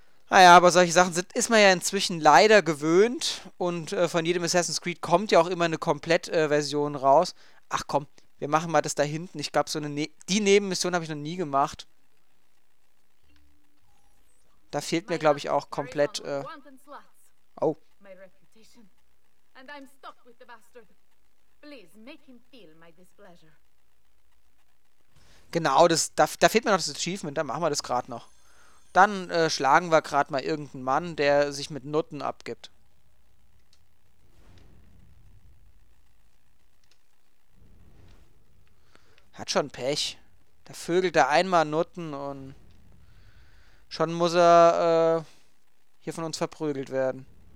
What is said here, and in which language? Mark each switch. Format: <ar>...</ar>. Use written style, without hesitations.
<de>Naja, aber solche Sachen sind, ist man ja inzwischen leider gewöhnt. Und von jedem Assassin's Creed kommt ja auch immer eine Komplett-Version raus. Ach komm, wir machen mal das da hinten. Ich glaube, so eine die Nebenmission habe ich noch nie gemacht. Da fehlt mir, glaube ich, auch komplett.</de> <en>Oh. My reputation. And I'm stuck with the bastard. Please make him feel my displeasure.</en> <de>Genau, das, da fehlt mir noch das Achievement. Dann machen wir das gerade noch. Dann schlagen wir gerade mal irgendeinen Mann, der sich mit Nutten abgibt. Hat schon Pech. Da vögelt er einmal Nutten und schon muss er hier von uns verprügelt werden.</de>